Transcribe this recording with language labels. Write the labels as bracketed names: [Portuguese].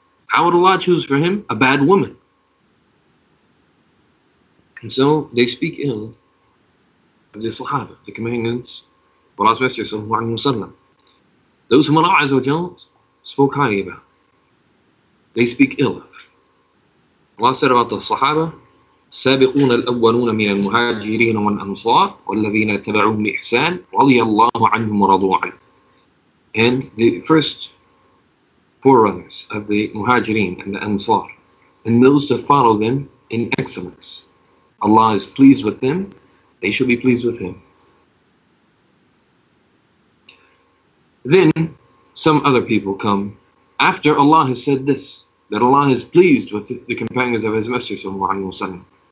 [English] How would Allah choose for him a bad woman? And so they speak ill of the Sahaba, the companions of Allah's Messenger sallallahu alayhi wa sallam, those whom Allah azza wa jal spoke highly about, they speak ill of. Allah said about the Sahaba, [Arabic] سابقون الأولون من المهاجرين والأنصار والذين اتبعوهم إحسان رضي الله عنهم ورضوا عنه. [English] And the first forerunners of the Muhajirin and the Ansar, and those to follow them in excellence, Allah is pleased with them, they should be pleased with Him. Then some other people come after Allah has said this, that Allah is pleased with the companions of His Messenger sallallahu alayhi wa sallam.